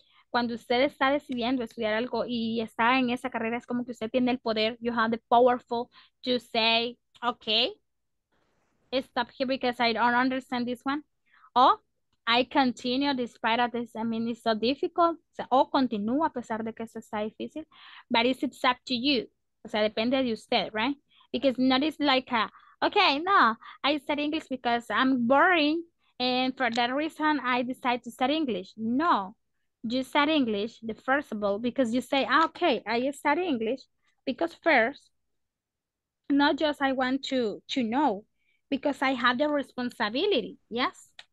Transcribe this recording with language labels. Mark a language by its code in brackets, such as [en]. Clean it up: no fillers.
[es] Cuando usted está decidiendo estudiar algo y está en esa carrera, es como que usted tiene el poder, [en] you have the powerful to say, okay, stop here because I don't understand this one. O I continue despite this, I mean, it's so difficult. [es] O continúa a pesar de que eso está difícil. [en] But it's up to you. [es] O sea, depende de usted, [en] right? Because not it's like a, okay, no, I study English because I'm boring and for that reason I decide to study English. No, you study English, the first of all, because you say, okay, I study English because first, not just I want to know, because I have the responsibility, yes?